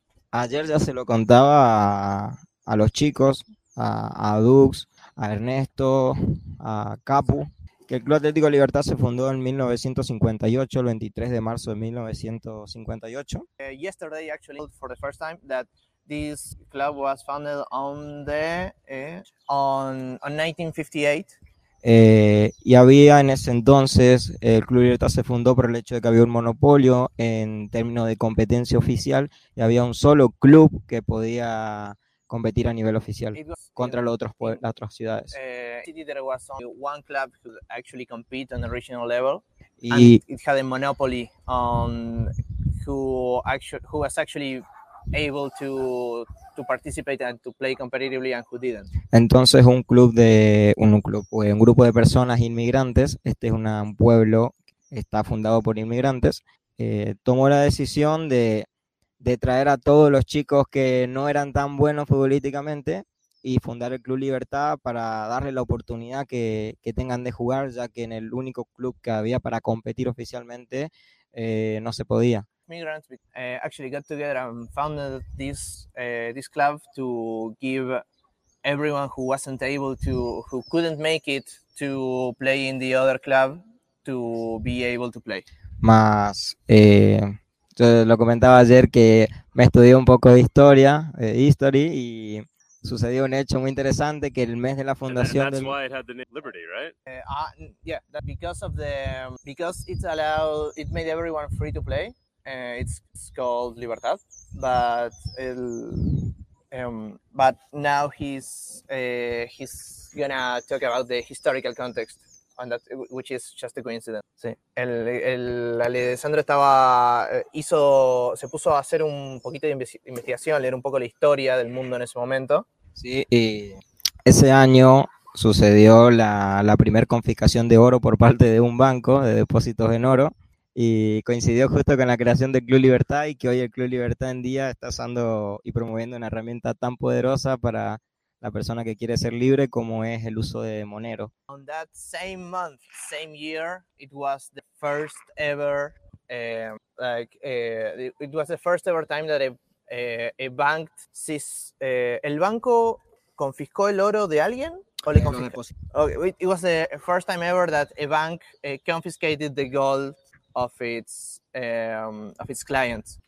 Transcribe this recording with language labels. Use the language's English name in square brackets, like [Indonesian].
[Spanish] Ayer ya se lo contaba a los chicos, a Dux, a Ernesto, a Capu, que el Club Atlético Libertad se fundó en 1958, el 23 de marzo de 1958. [English] Yesterday, actually, for the first time, that this club was founded on 1958. [Spanish] Y había en ese entonces, el Club Libertad se fundó por el hecho de que había un monopolio en términos de competencia oficial y había un solo club que podía competir a nivel oficial contra las otras ciudades. [English] There was only one club who actually compete on the regional level, and it had a monopoly on who was actually able to participate and to play competitively and who didn't. [Spanish] Entonces un grupo de personas inmigrantes, este es un pueblo está fundado por inmigrantes, tomó la decisión de traer a todos los chicos que no eran tan buenos futbolísticamente y fundar el Club Libertad para darle la oportunidad que tengan de jugar, ya que en el único club que había para competir oficialmente no se podía. [English] Migrants actually got together and founded this club to give everyone who wasn't able to, who couldn't make it to play in the other club, to be able to play. [Spanish] Más, yo lo comentaba ayer que me estudié un poco de historia, history, y sucedió un hecho muy interesante que el mes de la fundación. [English] And that's why it had the name Liberty, right? Because it made everyone free to play. It's called Libertad, but now he's gonna talk about the historical context on that, which is just a coincidence. [Spanish] Sí. El Alessandro se puso a hacer un poquito de investigación, leer un poco la historia del mundo en ese momento. Sí, y ese año sucedió la primer confiscación de oro por parte de un banco de depósitos en oro. Y coincidió justo con la creación del Club Libertad y que hoy el Club Libertad en día está usando y promoviendo una herramienta tan poderosa para la persona que quiere ser libre como es el uso de Monero. [English] On that same month, same year, it was the first ever it was the first ever time that a bank [Spanish] el banco confiscó el oro de alguien. [English] It was the first time ever that a bank confiscated the gold of its clients.